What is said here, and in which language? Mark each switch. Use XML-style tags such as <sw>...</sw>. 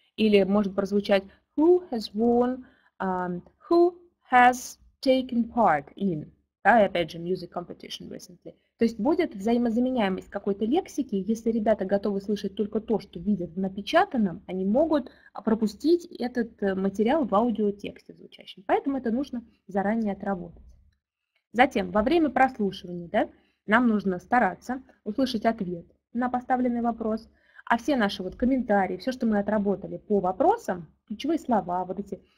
<ru>Или может прозвучать</ru> <en>«Who has won...» Who has taken part in,</en> <ru>да, опять же,</ru> <en>music competition recently.</en> <ru>То есть будет взаимозаменяемость какой-то лексики, если ребята готовы слышать только то, что видят в напечатанном, они могут пропустить этот материал в аудиотексте звучащем. Поэтому это нужно заранее отработать. Затем, во время прослушивания, да, нам нужно стараться услышать ответ на поставленный вопрос, а все наши вот комментарии, все, что мы отработали по вопросам, ключевые слова, вот эти...</ru>